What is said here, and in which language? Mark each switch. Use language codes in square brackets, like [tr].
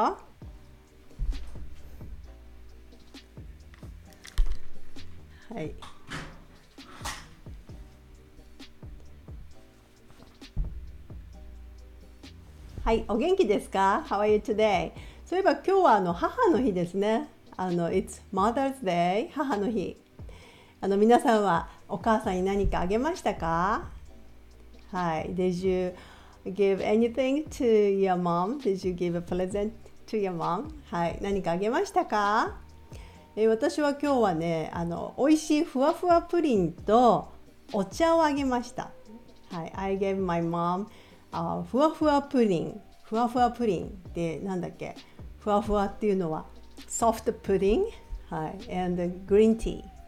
[ja] はい、はい、お元気ですか？ [en] How are you today? [ja] そういえば今日はあの母の日ですね。 [en] あの It's Mother's Day、 母の日。 [ja] あの皆さんはお母さんに何かあげましたか？ [en] はい、Did you give anything to your mom? Did you give a present to your mom? [ja] はい、何かあげましたか？私は今日はね、あの美味しいふわふわプリンとお茶をあげました。 [en] はい、I gave my mom ふわふわプリン。 [ja] ふわふわプリンってなんだっけ？ふわふわっていうのは [en] soft pudding、 [ja] はい、 [en] and green tea。